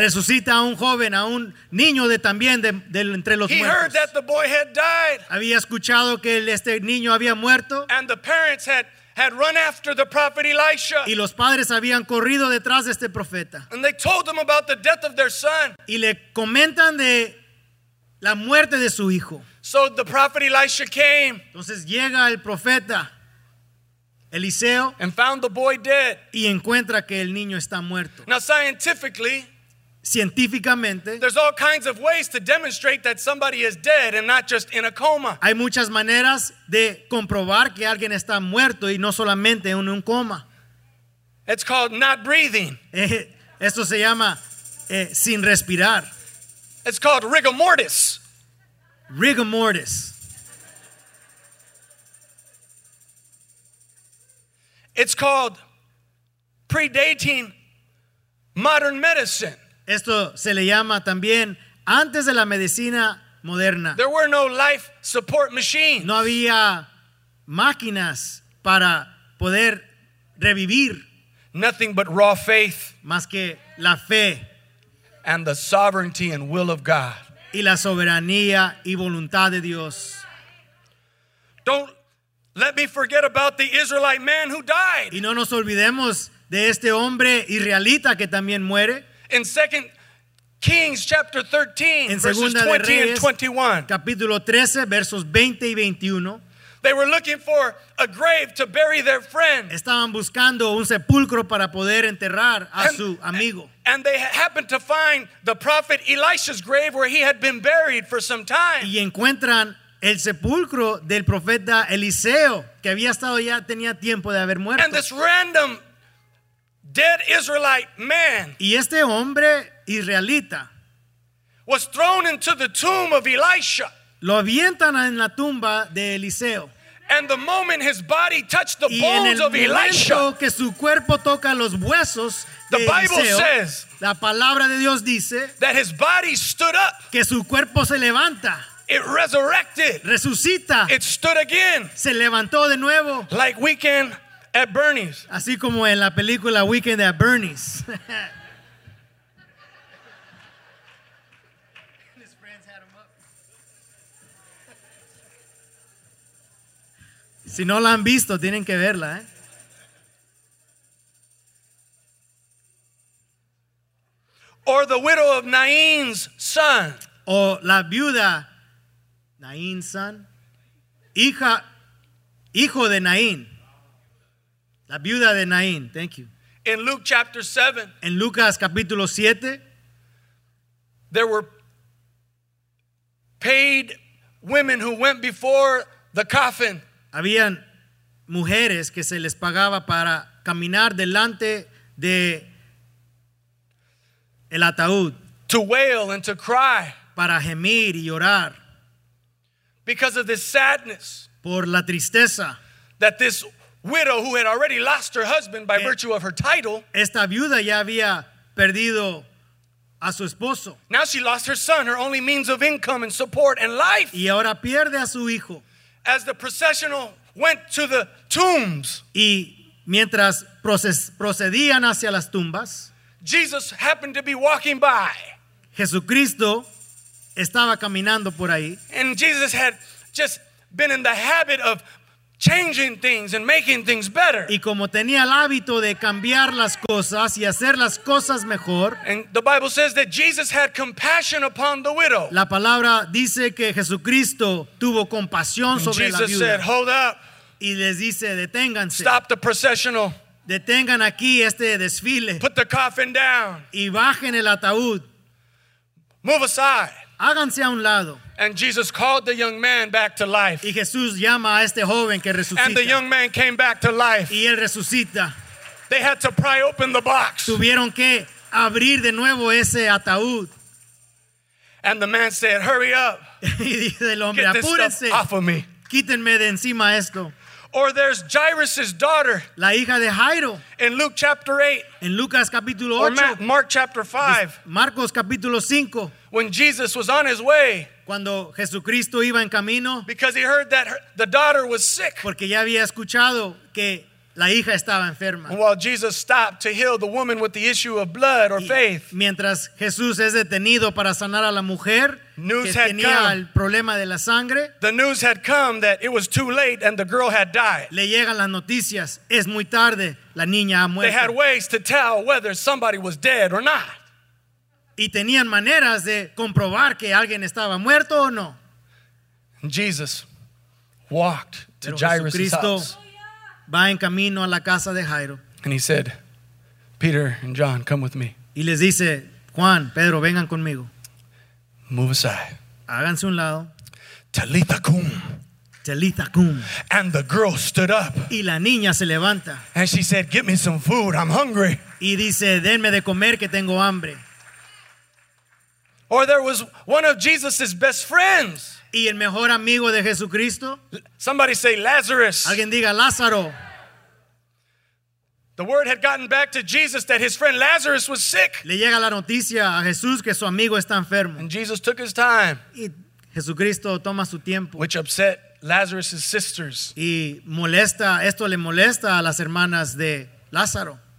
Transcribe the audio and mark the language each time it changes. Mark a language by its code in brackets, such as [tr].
[es] Resucita a un joven, a un niño de también de entre los [en] he [es] muertos. [en] He heard that the boy had died. [es] Había escuchado que este niño había muerto. [en] And the parents had run after the prophet Elisha. [es] Y los padres habían corrido detrás de este profeta. [en] And they told him about the death of their son. [es] Y le comentan de la muerte de su hijo. [en] So the prophet Elisha came. [es] Entonces llega el profeta Eliseo. [en] And found the boy dead. [es] Y encuentra que el niño está muerto. [en] Now scientifically. [es] Científicamente. [en] There's all kinds of ways to demonstrate that somebody is dead and not just in a coma. [es] Hay muchas maneras de comprobar que alguien está muerto y no solamente en un coma. [en] It's called not breathing. [es] Esto se llama sin respirar. [en] It's called rigor mortis. [es] Rigor mortis. [en] It's called predating modern medicine. [es] Esto se le llama también antes de la medicina moderna. [en] There were no life support machines. [es] No había máquinas para poder revivir. [en] Nothing but raw faith. [es] Más que la fe. [en] And the sovereignty and will of God. [es] Y la soberanía y voluntad de Dios. [en] Don't let me forget about the Israelite man who died. [es] Y no nos olvidemos de este hombre israelita que también muere. [en] In 2 Kings chapter 13, verses 20 [es] Reyes, [en] and 21. [es] Capítulo 13, versos 20 y 21. [en] They were looking for a grave to bury their friend. [es] Estaban buscando un sepulcro para poder enterrar a su amigo. [en] And they happened to find the prophet Elisha's grave where he had been buried for some time. [es] Y encuentran el sepulcro del profeta Eliseo, que había estado ya tenía tiempo de haber muerto. [en] And this random dead Israelite man. [es] Y este hombre israelita [en] was thrown into the tomb of Elisha. [es] Lo avientan en la tumba de Eliseo. [en] And the moment his body touched the bones of Elisha, [es] que su cuerpo toca los huesos de Eliseo, la palabra de Dios dice [en] that his body stood up. [es] Que su cuerpo se levanta. [en] It resurrected. [es] Resucita. [en] It stood again. [es] Se levantó de nuevo. [en] Like Weekend at Bernie's. [es] Así como en la película Weekend at Bernie's. [en] His friends had him up. [es] Si no la han visto, tienen que verla, ¿eh? [en] Or the widow of Nain's son. [es] O la viuda Nain's son. Hijo de Nain. La viuda de Nain, [en] thank you. In Luke chapter 7. [es] En Lucas capítulo 7. [en] There were paid women who went before the coffin. [es] Habían mujeres que se les pagaba para caminar delante de el ataúd. [en] To wail and to cry. [es] Para gemir y llorar. [en] Because of this sadness. [es] Por la tristeza. [en] That this widow who had already lost her husband by virtue of her title. [es] Esta viuda ya había perdido a su esposo. [en] Now she lost her son, her only means of income and support and life. [es] Y ahora pierde a su hijo. [en] As the processional went to the tombs. [es] Y mientras procedían hacia las tumbas. [en] Jesus happened to be walking by. [es] Jesucristo estaba caminando por ahí. [en] And Jesus had just been in the habit of changing things and making things better. [es] Y como tenía el hábito de cambiar las cosas y hacer las cosas mejor. [en] And the Bible says that Jesus had compassion upon the widow. [es] La palabra dice que Jesucristo tuvo compasión sobre la viuda. [en] Jesus said, "Hold up." [es] Y les dice, deténganse. [en] Stop the processional. [es] Detengan aquí este desfile. [en] Put the coffin down. [es] Y bajen el ataúd. [en] Move aside. [es] Háganse a un lado. [en] And Jesus called the young man back to life. [es] Y Jesús llama a este joven que resucita. [en] And the young man came back to life. [es] Y él resucita. [en] They had to pry open the box. [es] Tuvieron que abrir de nuevo ese ataúd. [en] And the man said, "Hurry up." [es] Y dice el hombre, [en] "Get this stuff off of me." [es] Quítenme de encima esto. [en] Or there's Jairus's daughter. [es] La hija de Jairo. [en] In Luke chapter 8. [es] En Lucas capítulo 8. [en] Or Mark chapter 5. [es] Marcos capítulo 5. [en] When Jesus was on his way. [es] Cuando Jesucristo iba en camino. [en] Because he heard that the daughter was sick. [es] Porque ya había escuchado que la hija estaba enferma. [en] While Jesus stopped to heal the woman with the issue of blood or faith. [es] Mientras Jesús es detenido para sanar a la mujer. [en] News [es] que tenía [en] had come. [es] El problema de la sangre. [en] The news had come that it was too late and the girl had died. [es] Le llegan las noticias. Es muy tarde. La niña ha muerto. [en] They had ways to tell whether somebody was dead or not. [es] Y tenían maneras de comprobar que alguien estaba muerto o no. [en] Jesus walked to Jairus' house. [es] Va en camino a la casa de Jairo. [en] And he said, Peter and John, come with me. [es] Y les dice, Juan, Pedro, vengan conmigo. [en] Move aside. [es] Háganse un lado. [en] Talitha cum. [es] Talitha cum. [en] And the girl stood up. [es] Y la niña se levanta. [en] And she said, get me some food, I'm hungry. [es] Y dice, denme de comer que tengo hambre. [en] Or there was one of Jesus's best friends. [es] Y el mejor amigo de Jesucristo. [en] Somebody say Lazarus. [es] Alguien diga Lázaro. [en] The word had gotten back to Jesus that his friend Lazarus was sick. [es] Le llega la noticia a Jesús que su amigo está enfermo. [en] And Jesus took his time. [es] Y Jesucristo toma su tiempo. [en] Which upset Lazarus's sisters. [es] Y molesta, esto le molesta a las hermanas de Lázaro.